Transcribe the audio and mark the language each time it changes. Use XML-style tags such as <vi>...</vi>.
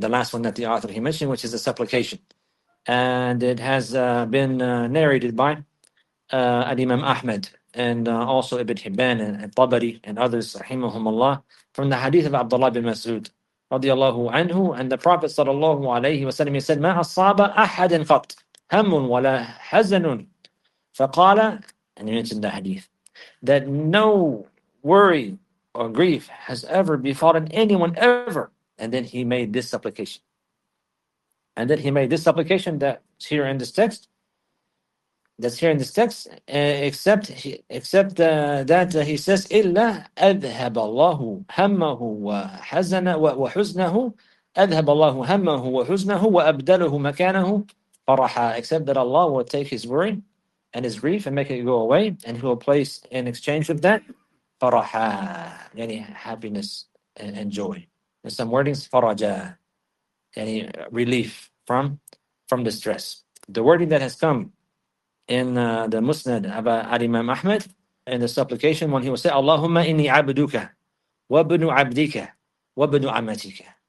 <en>The last one that the author, he mentioned, which is a supplication. And it has been narrated by Al-Imam Ahmad and also Ibn Hibban and Tabari and others, rahimahumullah, from the hadith of Abdullah bin Mas'ud radiyallahu anhu, and the Prophet sallallahu alayhi wa sallam, he said,</en> <ar>ما أصاب أحد فقط هم ولا حزن فقال,</ar> <en>and he mentioned the hadith, that no worry or grief has ever befallen anyone ever. And then he made this supplication. And then he made this supplication that's here in this text. That's here in this text. Except that he says,</en> <ar>إِلَّا أَذْهَبَ اللَّهُ هَمَّهُ وَحُزْنَهُ أَذْهَبَ اللَّهُ هَمَّهُ وَحُزْنَهُ وَأَبْدَلُهُ مَكَانَهُ فَرَحًا.</ar> <en>Except that Allah will take his worry and his grief and make it go away, and he will place in exchange of that faraha, yani happiness and joy. In some wordings, faraja, yani relief from distress. The wording that has come in the Musnad of Imam Ahmad in the supplication when he will say,</en> <ar>Allahumma inni abduka wa ibnu abdika wa ibnu amatika.</ar>